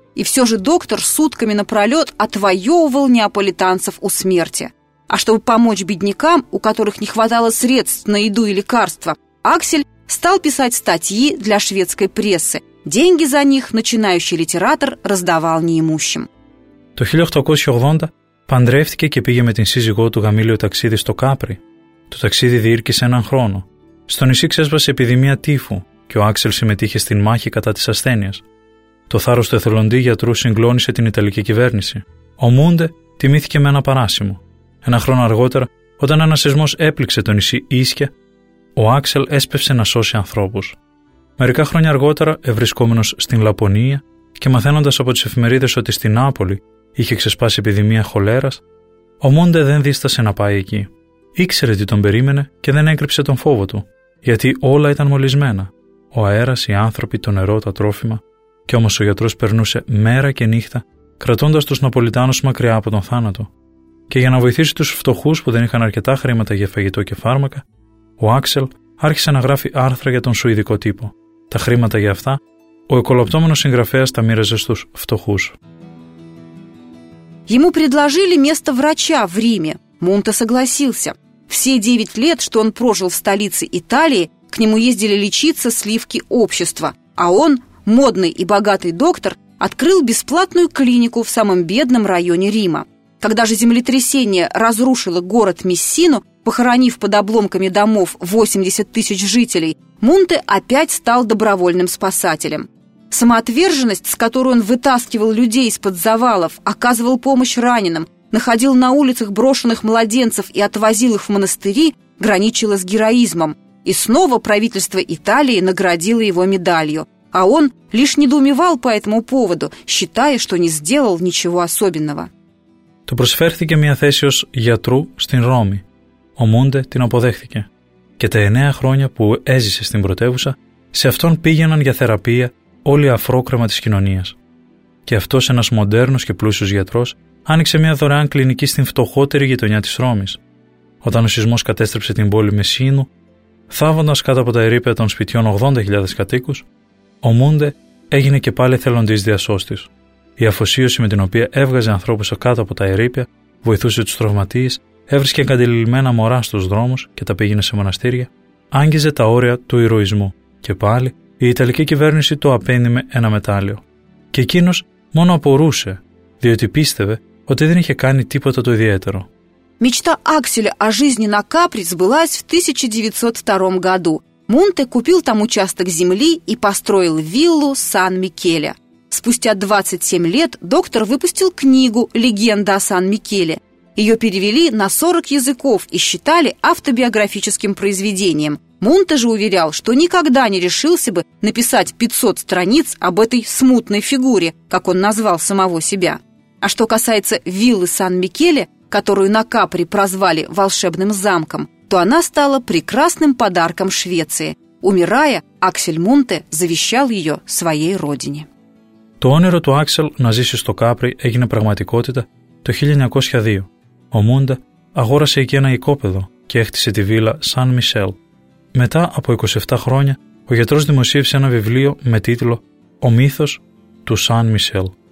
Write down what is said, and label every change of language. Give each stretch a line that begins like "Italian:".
Russian: И все же доктор сутками напролет отвоевывал неаполитанцев у смерти. А чтобы помочь беднякам, у которых не хватало средств на еду и лекарства, Аксель стал писать статьи для шведской прессы. Деньги за них начинающий литератор раздавал неимущим.
Greek: Το 1880 παντρεύτηκε και πήγε με την σύζυγό του Γαμήλιο ταξίδι στο Κάπρι. Το ταξίδι διήρκησε έναν χρόνο. Στο νησί ξέσπασε επιδημία τύφου και ο Άξελ συμμετείχε στην μάχη κατά της ασθένειας. Το θάρρος του εθελοντή γιατρού συγκλώνησε την ιταλική κυβέρνηση. Ο Μούντε τιμήθηκε με ένα παράσημο. Ένα χρόνο αργότερα, όταν ένας σεισμός έπληξε το νησί Ίσκια, ο Άξελ έσπευσε να σώσει ανθρώπους. Μερικά χρόνια αργότερα, ευρισκόμενος στην Λαπωνία και μαθαίνοντας από τις εφημερίδες ότι στην Νάπολη είχε ξεσπάσει επιδημία χολέρας, ο Μούντε δεν δίστασε να πάει εκεί. Ήξερε τι τον περίμενε και δεν έκρυψε τον φόβο του, γιατί όλα ήταν μολυσμένα. Ο αέρας, οι άνθρωποι, το νερό, τα τρόφιμα. Κι όμως ο γιατρός περνούσε μέρα και νύχτα, κρατώντας τους Ναπολιτάνους μακριά από τον θάνατο. Και για να βοηθήσει τους φτωχούς που δεν είχαν αρκετά χρήματα για φαγητό και φάρμακα, ο Άξελ άρχισε να γράφει άρθρα για τον σουηδικό τύπο. Τα χρήματα για αυτά, ο εκολαπτώμενος συγγραφέας τα μοίραζε στους φτωχούς.
Russian: Ему предложили место врача в Риме. Мунте согласился. Все 9 лет, что он прожил в столице Италии, к нему ездили лечиться сливки общества, а он, модный и богатый доктор, открыл бесплатную клинику в самом бедном районе Рима. Когда же землетрясение разрушило город Мессину, похоронив под обломками домов 80 тысяч жителей, Мунте опять стал добровольным спасателем. Самоотверженность, с которой он вытаскивал людей из-под завалов, оказывал помощь раненым, находил на улицах брошенных младенцев и отвозил их в монастыри, граничила с героизмом. И снова правительство Италии наградило его медалью. А он лишь недоумевал по этому поводу, считая, что не сделал ничего особенного.
Greek: Του προσφέρθηκε μια θέση ως γιατρού στην Ρώμη. Ο Μούντε την αποδέχθηκε. Και τα 9 χρόνια που έζησε στην πρωτεύουσα, σε αυτόν πήγαιναν για θεραπεία όλοι οι αφρόκρεμα της κοινωνίας. Και αυτός ένας μοντέρνος και πλούσιος γιατρός άνοιξε μια δωρεάν κλινική στην φτωχότερη γειτονιά της Ρώμης. Όταν ο σεισμός κατέστρεψε την πόλη Μεσίνου, θάβοντας κάτω από τα ερείπια των σπιτιών 80.000 κατοίκους, ο Μούντε έγινε και πάλι εθελοντής διασώστης. Η αφοσίωση με την οποία έβγαζε ανθρώπους κάτω από τα ερείπια, βοηθούσε τους τραυματίες, έβρισκε εγκατελειμμένα μωρά στους δρόμους και τα πήγαινε σε μοναστήρια, άγγιζε τα όρια του ηρωισμού. Και πάλι η Ιταλική κυβέρνηση το απένιμε ένα μετάλλιο. Και εκείνος μόνο απορούσε, διότι πίστευε ότι δεν είχε κάνει τίποτα το ιδιαίτερο.
Russian: Мечта Акселя о жизни на Капри сбылась в 1902 году. Мунте купил там участок земли и построил виллу Сан-Микеле. Спустя 27 лет доктор выпустил книгу «Легенда о Сан-Микеле». Ее перевели на 40 языков и считали автобиографическим произведением. Мунте же уверял, что никогда не решился бы написать 500 страниц об этой смутной фигуре, как он назвал самого себя. А что касается виллы Сан-Микеле, которую на Капри прозвали «волшебным замком», то она стала прекрасным подарком Швеции. Умирая, Аксель Мунте завещал ее своей родине.
Greek: Το όνειρο του Άξελ να ζήσει στο Κάπρι έγινε πραγματικότητα το 1902. Ο Μούντε αγόρασε εκεί ένα οικόπεδο και έκτισε τη βίλα Σαν Μισελ. Μετά από 27 χρόνια, ο γιατρός δημοσίευσε ένα βιβλίο με τίτλο «Ο μύθος του Σαν Μισελ».